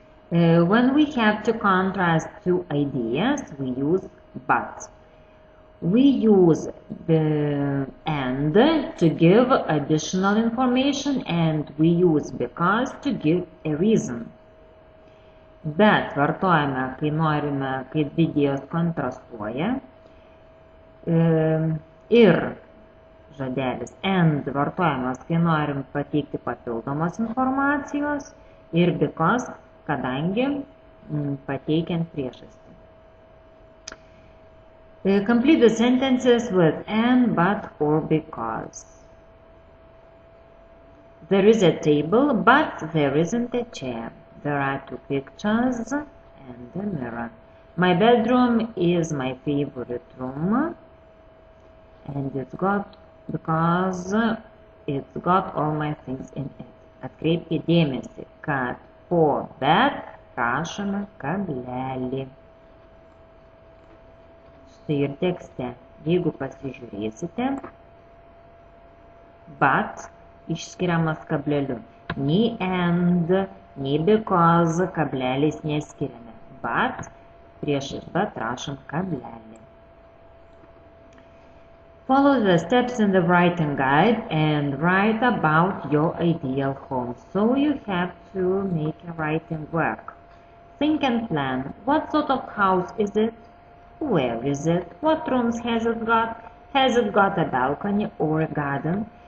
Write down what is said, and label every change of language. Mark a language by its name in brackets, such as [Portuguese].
[English] When we have to contrast two ideas, we use but. We use the and to give additional information, and we use because to give a reason. [Lithuanian] Bet vartojame, kai norime, kaip idėjos kontrastuoja. Ir žodelis and vartojamas, kai norim pateikti papildomos informacijos ir because, kadangi pateikiant priežastį. [English] Complete the sentences with and, but, or because. There is a table, but there isn't a chair. There are two pictures and a mirror. My bedroom is my favorite room. And it's got, because it's got all my things in it. [Lithuanian] Atkreipkite dėmesį, kad po bet rašome kablelį. Štai ir tekste. Jeigu pasižiūrėsite, bet išskiriamas kableliu. Nei and, nei because kableliais neskiriame. Bet prieš ir bet rašom kablelį. [English] Follow the steps in the writing guide and write about your ideal home. So you have to make a writing work. Think and plan. What sort of house is it? Where is it? What rooms has it got? Has it got a balcony or a garden?